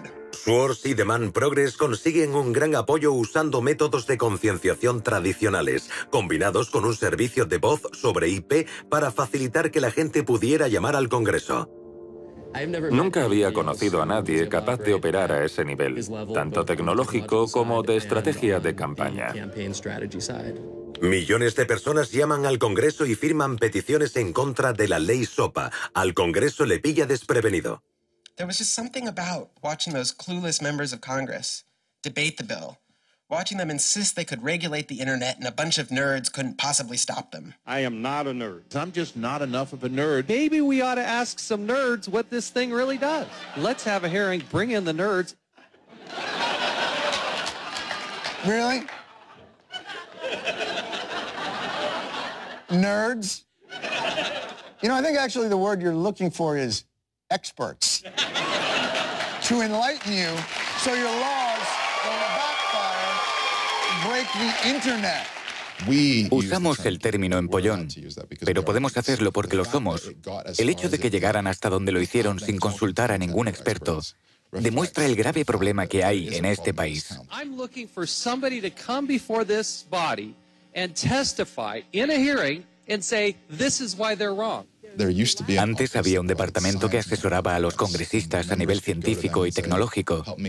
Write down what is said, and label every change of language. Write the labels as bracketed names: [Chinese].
[Spanish] Swartz y Demand Progress consiguen un gran apoyo usando métodos de concienciación tradicionales, combinados con un servicio de voz sobre IP para facilitar que la gente pudiera llamar al Congreso. Nunca había conocido a nadie capaz de operar a ese nivel, tanto tecnológico como de estrategia de campaña. Millones de personas llaman al Congreso y firman peticiones en contra de la ley SOPA. Al Congreso le pilla desprevenido. [English] There was just something about watching those clueless members of Congress debate the bill, Watching them insist they could regulate the internet and a bunch of nerds couldn't possibly stop them. I am not a nerd. I'm just not enough of a nerd. Maybe we ought to ask some nerds what this thing really does. Let's have a hearing. Bring in the nerds. Really? Nerds? You know, I think actually the word you're looking for is experts. To enlighten you so your laws don't backfire, break the internet. [Spanish] Usamos el término empollón, pero podemos hacerlo porque lo somos. El hecho de que llegaran hasta donde lo hicieron sin consultar a ningún experto demuestra el grave problema que hay en este país. [English] I'm looking for somebody to come before this body and testify in a hearing and say this is why they're wrong. [Spanish] Antes había un departamento que asesoraba a los congresistas a nivel científico y tecnológico.